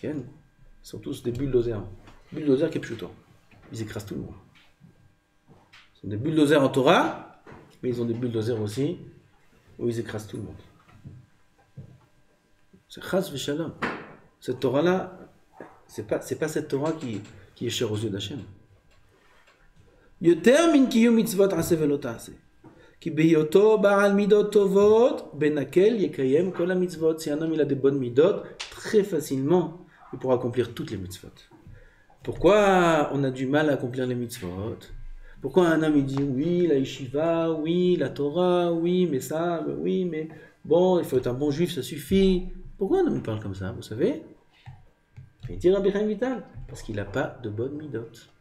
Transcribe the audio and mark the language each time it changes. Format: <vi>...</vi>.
<fr>Ils sont tous des bulldozers. Bulldozers qui est plutôt. Ils écrasent tout le monde. Ils sont des bulldozers en Torah, mais ils ont des bulldozers aussi où ils écrasent tout le monde. C'est Chas v'Shalom. Cette Torah-là, c'est pas cette Torah qui est chère aux yeux d'Hachem.</fr> <he>יותר מן קיום מצוות עשה ולא תעשה. כי בהיותו בעל מידות טובות, בנקל יקיים כל המצוות, ציינו מילה דבון מידות,</he> <fr>très facilement, il pourra accomplir toutes les mitzvot. Pourquoi on a du mal à accomplir les mitzvot? Pourquoi un homme il dit oui, la yeshiva, oui, la Torah, oui, mais ça, oui, mais bon, il faut être un bon juif, ça suffit. Pourquoi un homme parle comme ça, vous savez? Il dit Rabbi Chaim Vital, parce qu'il n'a pas de bonnes midot.</fr>